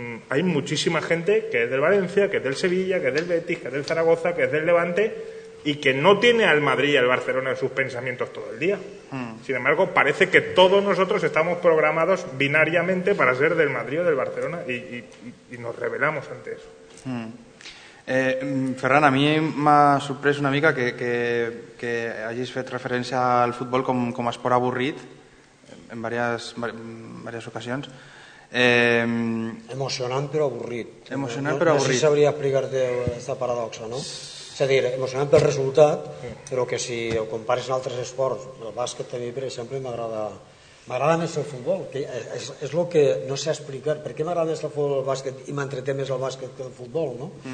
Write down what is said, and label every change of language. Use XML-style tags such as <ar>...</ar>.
<es>hay muchísima gente que es del Valencia, que es del Sevilla, que es del Betis, que es del Zaragoza, que es del Levante, y que no tiene al Madrid y al Barcelona en sus pensamientos todo el día. Sin embargo, parece que todos nosotros estamos programados binariamente para ser del Madrid o del Barcelona, y nos rebelamos ante eso.</es> <ca>Ferran, a mí m'ha sorprès una mica que hagis fet referència al futbol com a esport avorrit en diverses ocasions. Emocionant però avorrit. Emocionant però avorrit. No sé si sabria explicar-te aquesta paradoxa, no? És a dir, emocionant pel resultat, però que si ho compares amb altres esports, el bàsquet a mi, per exemple, m'agrada més el futbol, que és el que no sé explicar. Per què m'agrada més el futbol, el bàsquet, i m'entreté més el bàsquet que el futbol, no?</ca>